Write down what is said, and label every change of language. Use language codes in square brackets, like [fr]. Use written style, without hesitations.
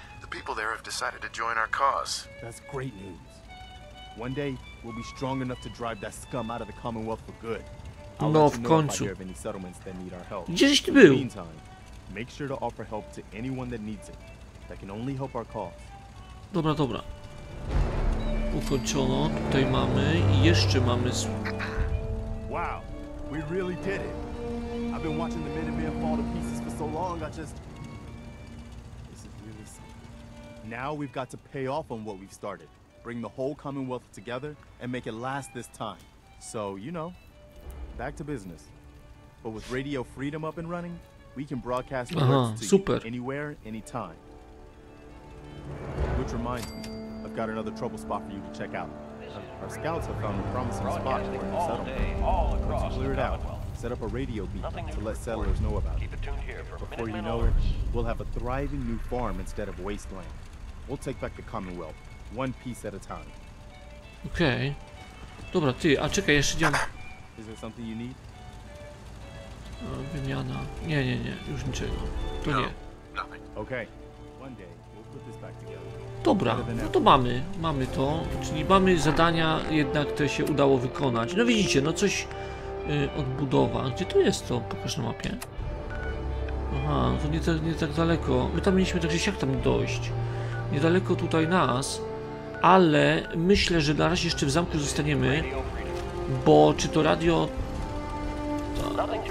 [en] People there have decided to join our cause. That's great news. One day we'll be strong enough to drive that scum out of the Commonwealth for good. I'll no, let you know if I hear of any settlements that need our help. In the meantime, make sure to offer help to anyone that needs it. That can only help our cause. [pl] Dobra, dobra. Ukończono. Tutaj mamy i jeszcze mamy. [en] Wow, we really did it. I've been watching the Minutemen fall to pieces for so long. I just now we've got to pay off on what we've started. Bring the whole Commonwealth together and make it last this time. So, you know, back to business. But with Radio Freedom up and running, we can broadcast alerts to super. You anywhere, anytime. Which reminds me, I've got another trouble spot for you to check out. Our scouts have found a promising spot for the settlement. Let's clear it out. Set up a radio beacon to let settlers know about it. Before you know it, we'll have a thriving new farm instead of wasteland. We'll take back the Commonwealth, one piece at a time. Okay. [pl] Dobra, ty, a czekaj, jeszcze dzień. [en] Is there something you need? [pl] Wymiana. Nie, nie, nie, już niczego. To nie. Okay. [en] One day we'll put this back together. [pl] Dobra, no to mamy. Mamy to. Czyli mamy zadania, jednak te się udało wykonać. No widzicie, no coś odbudowa. Gdzie to jest to? Pokaż na mapie. Aha, to nie tak daleko. My tam mieliśmy także jak tam dojść. Niedaleko tutaj nas, ale myślę, że na razie jeszcze w zamku zostaniemy, bo czy to radio... To...